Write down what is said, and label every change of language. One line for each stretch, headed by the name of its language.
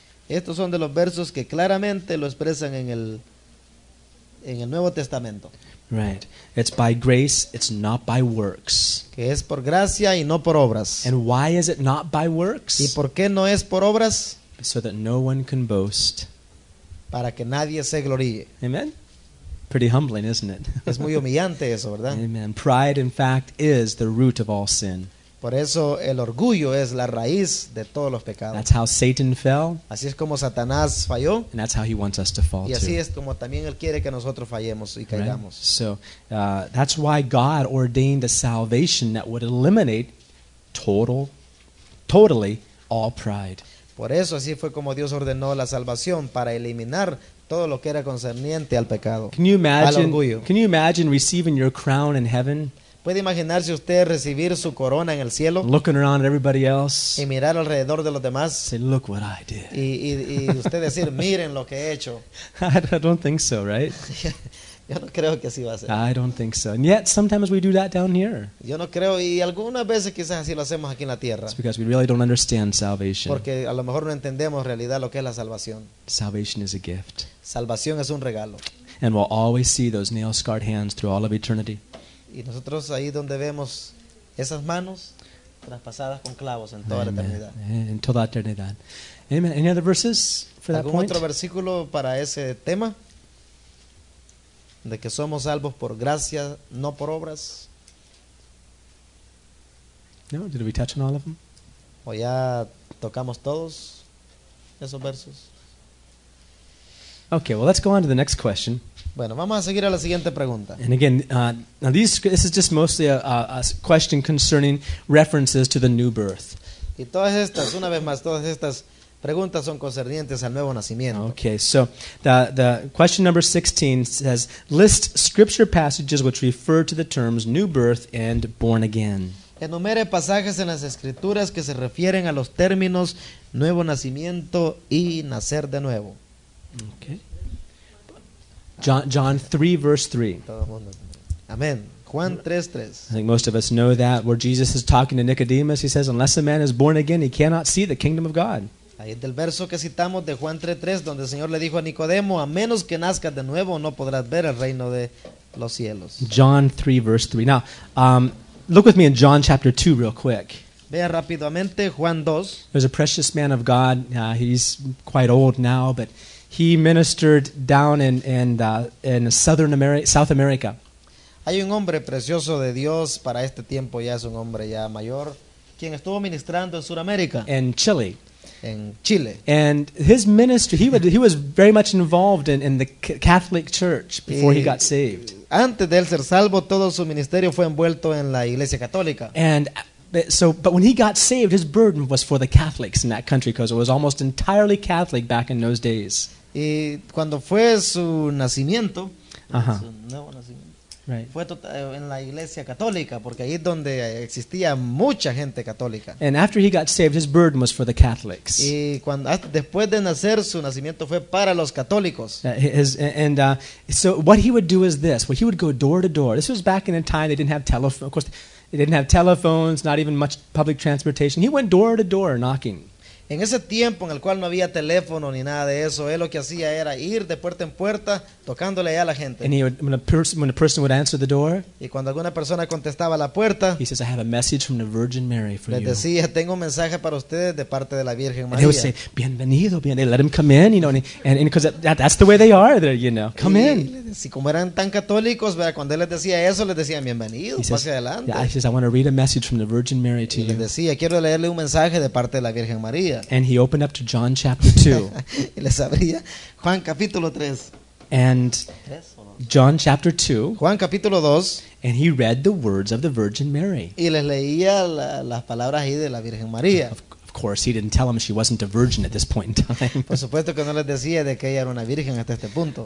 Spanish: Estos son de los versos que claramente lo expresan en el Nuevo Testamento.
English: Right. It's by grace, it's not by works.
Spanish: Que es por gracia y no por obras.
English: And why is it not by works?
Spanish: ¿Y por qué no es por obras?
English: So that no one can boast.
Spanish: Para que nadie se gloríe.
English: Amen. Pretty humbling, isn't it?
Spanish: Es muy humillante eso, ¿verdad?
English: Amen. Pride, in fact, is the root of all sin.
Spanish: Por eso el orgullo es la raíz de todos los pecados.
English: That's how Satan fell.
Spanish: Así es como Satanás falló.
English: And that's how he wants us to fall too.
Spanish: Y así es como también él quiere que nosotros fallemos y caigamos.
English: So that's why God ordained a salvation that would eliminate totally all pride.
Spanish: Por eso así fue como Dios ordenó la salvación para eliminar todo lo que era concerniente al pecado,
English: can you imagine,
Spanish: al orgullo.
English: Can you imagine receiving your crown in heaven?
Spanish: ¿Puede imaginarse usted recibir su corona en el cielo?
English: Looking around at everybody else.
Spanish: Y mirar alrededor de los demás.
English: Say, look what I did.
Spanish: Y usted decir, miren lo que he hecho.
English: I don't think so, right?
Spanish: Yo no creo que así va a ser.
English: I don't think so. And yet, sometimes we do that down here.
Spanish: Yo no creo, y algunas veces quizás así lo hacemos aquí en la tierra.
English: It's because we really don't understand salvation.
Spanish: Porque a lo mejor no entendemos en realidad lo que es la salvación.
English: Salvation is a gift.
Spanish: Salvación es un regalo.
English: And we'll always see those nail-scarred hands through all of eternity.
Spanish: Y nosotros ahí donde vemos esas manos traspasadas con clavos en toda
English: Amen.
Spanish: La eternidad. En toda la eternidad. Amen.
English: Any other verses for that
Spanish: ¿Algún
English: point?
Spanish: Otro versículo para ese tema? De que somos salvos por gracia, no por obras.
English: No, did we touch on all of them?
Spanish: ¿O ya tocamos todos esos versos?
English: Okay, well, let's go on to the next question.
Spanish: Bueno, vamos a seguir a la siguiente pregunta.
English: And again, this is just mostly a question concerning references to the new birth.
Spanish: Y todas estas, una vez más, todas estas preguntas son concernientes al nuevo nacimiento.
English: Okay, so the question number 16 says, list scripture passages which refer to the terms new birth and born again.
Spanish: Enumere pasajes en las escrituras que se refieren a los términos nuevo nacimiento y nacer de nuevo.
English: Okay. John 3, verse 3.
Spanish: Amen. Juan 3, 3.
English: I think most of us know that where Jesus is talking to Nicodemus. He says, unless a man is born again, he cannot see the kingdom of God.
Spanish: Ahí es del verso que citamos de Juan 3, 3, donde el Señor le dijo a Nicodemo, a menos que nazcas de nuevo, no podrás ver el reino de los cielos.
English: John 3, verse 3. Now, look with me in John chapter 2 real quick.
Spanish: Vea rápidamente Juan 2.
English: There's a precious man of God. He's quite old now, but he ministered down in Southern America, South America.
Spanish: Hay un hombre precioso de Dios para este tiempo, ya es un hombre ya mayor, quien estuvo ministrando en Sudamérica.
English: In Chile.
Spanish: En Chile.
English: And his ministry, he was very much involved in the Catholic Church before he got saved.
Spanish: Antes de él ser salvo, todo su ministerio fue envuelto en la Iglesia Católica.
English: But when he got saved, his burden was for the Catholics in that country because it was almost entirely Catholic back in those days.
Spanish: Y cuando fue su nacimiento, uh-huh. su nuevo nacimiento,
English: right.
Spanish: fue en la Iglesia Católica porque ahí es donde existía mucha gente católica.
English: And after he got saved, his burden was for the Catholics.
Spanish: Y cuando después de nacer, su nacimiento fue para los católicos.
English: So what he would do is this: he would go door to door. This was back in a time they didn't have telephone. Of course. He didn't have telephones, not even much public transportation. He went door to door knocking.
Spanish: En ese tiempo en el cual no había teléfono ni nada de eso, él lo que hacía era ir de puerta en puerta tocándole a la gente.
English: And when a person would answer the door,
Spanish: y cuando alguna persona contestaba la puerta,
English: he says, "I have a message from the Virgin Mary for
Spanish: les
English: you."
Spanish: Les decía, "Tengo un mensaje para ustedes de parte de la Virgen María."
English: And he would say,
Spanish: "Bienvenido, bienvenido."
English: Let him come in, you know, and because that's the way they are there, you know. Come
Spanish: y
English: in.
Spanish: Si como eran tan católicos, ¿verdad? Cuando él les decía eso, les decía, "Bienvenido, pase adelante."
English: Yeah, he says, "I want to read a message from the Virgin Mary to you."
Spanish: Les decía, "Quiero leerle un mensaje de parte de la Virgen María."
English: And he opened up to John chapter 2.
Spanish: Y les abría Juan capítulo 3.
English: And John chapter 2.
Spanish: Juan capítulo 2.
English: And he read the words of the Virgin Mary.
Spanish: Y les leía las palabras ahí de la Virgen María.
English: Of course, he didn't tell them she wasn't a virgin at this point in time.
Spanish: Por supuesto que no les decía de que ella era una virgen hasta este punto.